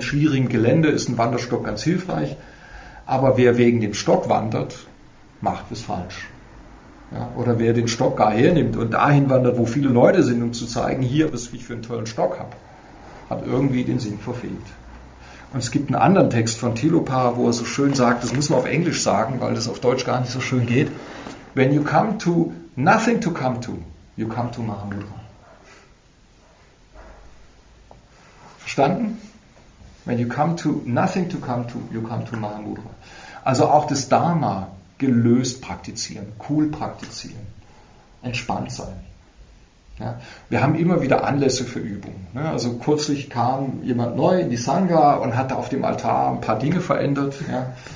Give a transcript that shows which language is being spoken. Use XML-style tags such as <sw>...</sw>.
<de>In schwierigem Gelände ist ein Wanderstock ganz hilfreich. Aber wer wegen dem Stock wandert, macht es falsch. Ja? Oder wer den Stock gar hernimmt und dahin wandert, wo viele Leute sind, um zu zeigen, hier, was ich für einen tollen Stock habe, hat irgendwie den Sinn verfehlt. Und es gibt einen anderen Text von Thilopa, wo er so schön sagt, das muss man auf Englisch sagen, weil das auf Deutsch gar nicht so schön geht.</de> <en>When you come to nothing to come to, you come to Mahamudra.</en> <de>Verstanden?</de> <en>When you come to nothing to come to, you come to Mahamudra.</en> <de>Also auch das Dharma gelöst praktizieren, cool praktizieren, entspannt sein. Ja? Wir haben immer wieder Anlässe für Übungen. Ne? Also kürzlich kam jemand neu in die Sangha und hat auf dem Altar ein paar Dinge verändert. Ja?</de>